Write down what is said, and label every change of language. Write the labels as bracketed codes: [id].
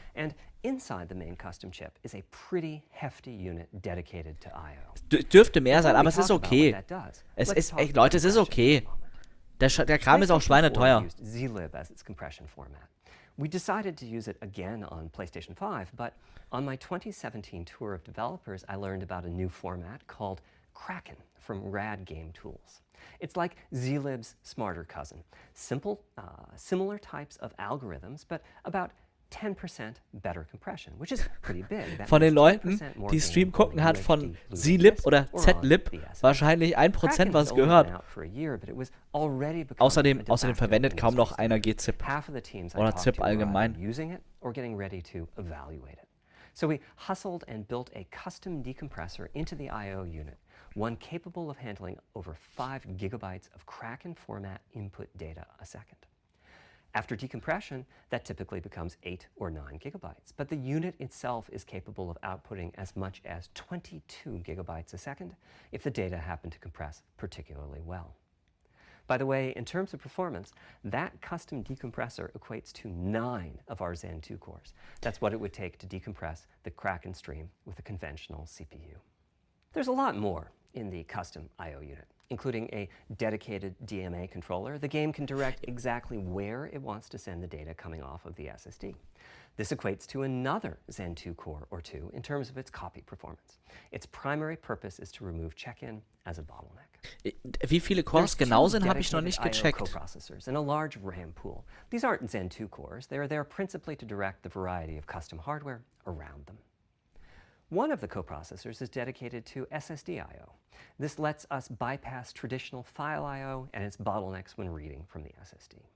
[en] And inside the main custom chip is a pretty hefty unit dedicated to IO. [de] Dürfte mehr sein, aber es ist okay. Es ist echt, Leute, es ist okay. Der Kram ist auch schweineteuer. [en] Zlib as its compression format. We decided to use it again on PlayStation 5, but on my 2017 tour of developers, I learned about a new format called Kraken from Rad Game Tools. It's like Zlib's smarter cousin. Simple, similar types of algorithms, but about 10% better compression, which is pretty big. [de] Von den Leuten, die Stream gucken, hat von Zlib oder Zlib wahrscheinlich 1% was gehört. Außerdem verwendet kaum noch einer GZIP oder ZIP allgemein. [en] Using it or getting ready to evaluate it. So we hustled and built a custom decompressor into the IO unit. One capable of handling over 5 gigabytes of Kraken format input data a second. After decompression, that typically becomes 8 or 9 gigabytes, but the unit itself is capable of outputting as much as 22 gigabytes a second if the data happen to compress particularly well. By the way, in terms of performance, that custom decompressor equates to 9 of our Zen 2 cores. That's what it would take to decompress the Kraken stream with a conventional CPU. There's a lot more in the custom IO unit, including a dedicated DMA controller. The game can direct exactly where it wants to send the data coming off of the SSD. This equates to another Zen 2 core or two in terms of its copy performance. Its primary purpose is to remove check-in as a bottleneck. [de] Wie viele Cores genau sind, habe ich noch nicht gecheckt. [en] IO coprocessors and a large RAM pool. These aren't Zen 2 cores. They are there principally to direct the variety of custom hardware around them. One of the coprocessors is dedicated to SSD I/O. This lets us bypass traditional file I/O and its bottlenecks when reading from the SSD.